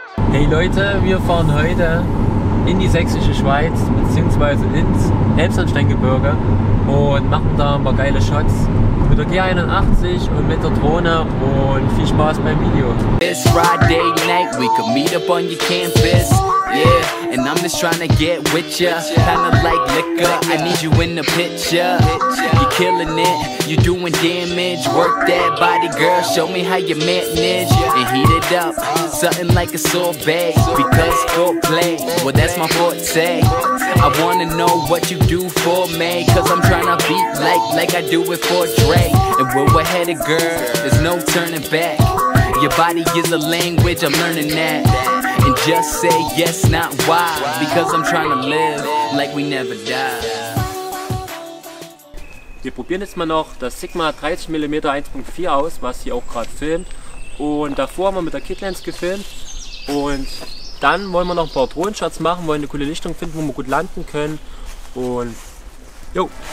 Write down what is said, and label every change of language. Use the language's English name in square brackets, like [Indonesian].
[German] Hey Leute, wir fahren heute in die Sächsische Schweiz bzw. ins Elbsandsteingebirge und machen da ein paar geile Shots mit der G81 und mit der Drohne und viel Spaß beim Video. [English] It's Friday night, we could meet up on your campus. Yeah, and I'm just trying to get with ya. Kinda like liquor, I need you in the picture. You're killing it, you're doing damage. Work that body, girl, show me how you manage. And heat it up, something like a sorbet. Because foreplay, well that's my forte. I wanna know what you do for me. Cause I'm trying to beat like I do it for Dre. And where we're headed, girl, there's no turning back. Your body is a language, I'm learning that. And just say yes, not why. Because I'm trying to live like we never die. [German] Wir probieren jetzt mal noch das Sigma 30mm 1.4 aus, was hier auch gerade filmt. Und davor haben wir mit der Kitlens gefilmt. Und dann wollen wir noch ein paar Drohnen-Shots machen, wollen eine coole Lichtung finden, wo wir gut landen können. Und jo,